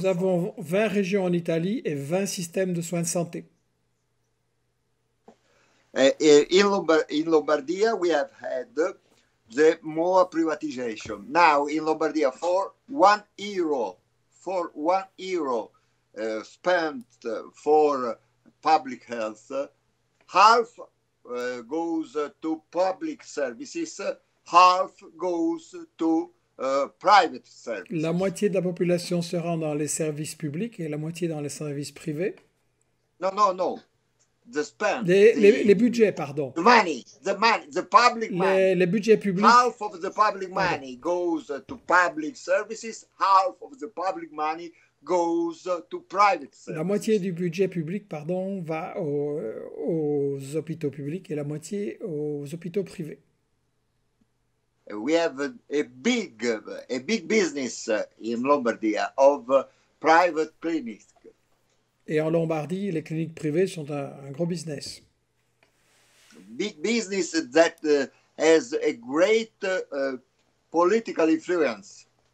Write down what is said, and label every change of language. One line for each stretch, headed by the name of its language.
French: Nous avons 20 régions en Italie et 20 systèmes de soins de santé.
English: In Lombardia, we have had the more privatization. Now, in Lombardia, for one euro spent for public health, half goes to public services, half goes to private services.
French: La moitié de la population se rend dans les services publics et la moitié dans les services privés.
English: No.
French: Les budgets, pardon.
English: The
French: budgets publics.
English: Half of the public money goes to public services, half of the public money goes to private services.
French: La moitié du budget public, pardon, va aux hôpitaux publics et la moitié aux hôpitaux privés.
English: We have a big business in Lombardy of private clinics.
French: Et en Lombardie, les cliniques privées sont un gros business.
English: Big business that has a great political influence.